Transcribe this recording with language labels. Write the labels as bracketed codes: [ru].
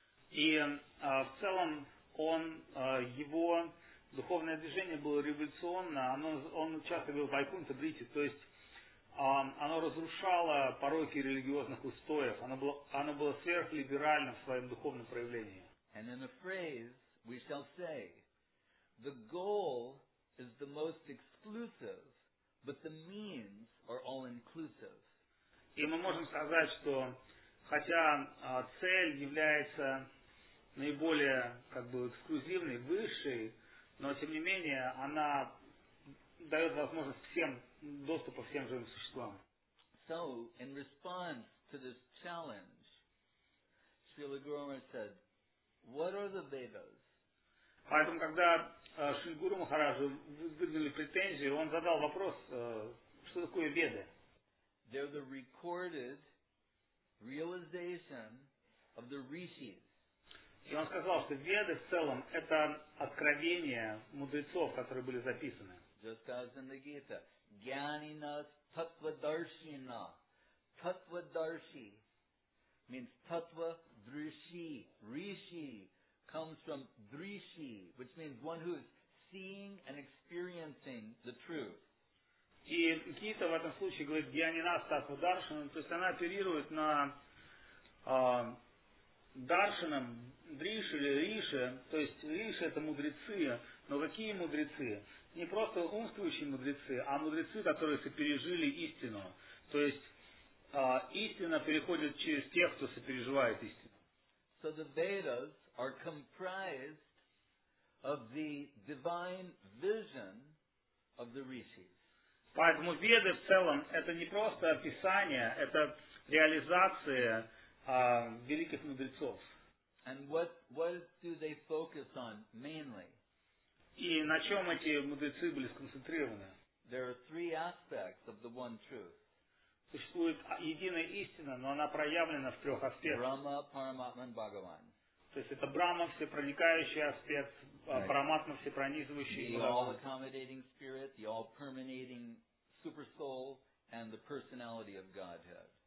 [ru] И в целом он его духовное движение было революционно, он часто говорил Вайкунта Брити, то есть оно разрушало пороки религиозных устоев, оно было сверхлиберально в своем духовном проявлении. [en] And in a phrase, we shall say, the goal is the most exclusive, but the means are all inclusive. [ru] И мы можем сказать, что хотя цель является наиболее как бы эксклюзивной, высшей, но тем не менее она дает возможность всем доступа всем живым существам. [en] So, in response to this challenge, Srila Gurama said, what are the Vedas? [ru] Поэтому, когда Шри Гуру Махараджу выдвинули претензии, он задал вопрос, что такое Веды? [en] They're the recorded realization of the rishis. [ru] И он сказал, что Веды в целом это откровение мудрецов, которые были записаны. [en] Just as in the Gita, Gyanina Tattvadarshina. Tattvadarshi means Tattva Drishi. Rishi comes from Drishi, which means one who is seeing and experiencing the truth. [ru] И Гита в этом случае говорит Гьянинас Татва Даршинам, то есть она оперирует на Даршинам, Дриши или Риши, то есть Риши это мудрецы, но какие мудрецы? Не просто умствующие мудрецы, а мудрецы, которые сопережили истину. То есть истина переходит через тех, кто сопереживает истину. [en] So the Vedas are comprised of the divine vision of the Rishis. [ru] Поэтому Веды в целом это не просто описание, это реализация великих мудрецов. [en] And what do they focus on mainly? [ru] И на чем эти мудрецы были сконцентрированы? [en] There are three aspects of the one truth. [ru] Существует единая истина, но она проявлена в трех аспектах. [en] Brahma, Paramatman, Bhagavan. [ru] То есть это Брахма, всепроникающий аспект, [en] right. [ru] Параматма, всепронизывающий. [en] The all-accommodating spirit, the all-permeating super soul and the personality of Godhead.